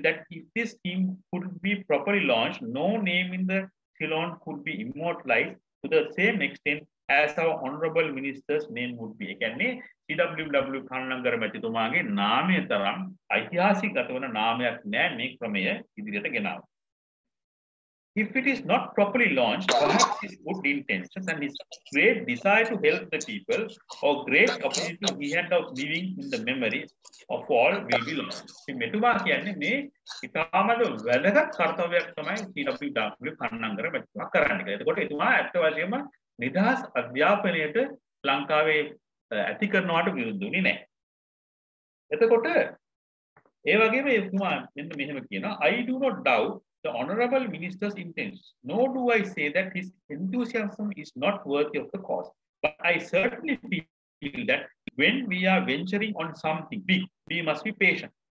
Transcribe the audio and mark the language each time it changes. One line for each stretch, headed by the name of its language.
English: If this scheme could be properly launched, no name in the Ceylon could be immortalized to the same extent as our honorable minister's name would be.
Sinhala: කියන්නේ CWW Kannangara මැතිතුමාගේ නාමය තරම් ඓතිහාසිකව නාමයක් නැහැ මේ ක්‍රමය ඉදිරියට ගෙනාව.
English: If it is not properly launched, perhaps his good intentions and his great desire to help the people or great opportunity he had of living in the memory of all will be lost.
Sinhala: මෙතුමා කියන්නේ මේ ඉතාමද වැදගත් කාර්යයක් තමයි කීනපී doctor පන්නංගර මෙතුමා කරන්න කියලා. එතකොට එතුමා ඇත්ත වශයෙන්ම නිදහස් අධ්‍යාපනයට ලංකාවේ ඇති කරනවට විරුද්ධුනේ නැහැ. එතකොට ඒ වගේම එතුමා මෙන්න මෙහෙම කියනවා
English: I do not doubt the honorable minister's intentions, nor do I say that his enthusiasm is not worthy of the cause. But I certainly feel that when we are venturing on something big, we must be patient.